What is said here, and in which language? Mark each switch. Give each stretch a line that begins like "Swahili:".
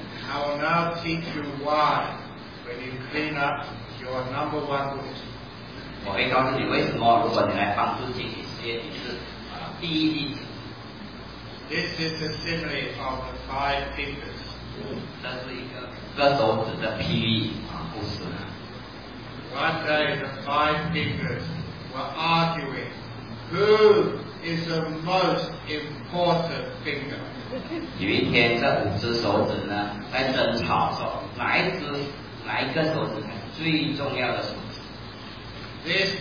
English: I will now teach you why, when you clean up, you are number one witness.
Chinese: 我会告诉你为什么，如果你来帮助清洁事业，你是第一例子。
English: This is the simile of the five fingers.
Chinese: 这是一个割手指的譬喻啊，故事。
English: One day the five fingers were arguing, who is the most important finger?
Chinese: 有一天，这五只手指呢，在争吵说，哪一只、哪一个手指才是最重要的手指？
English: This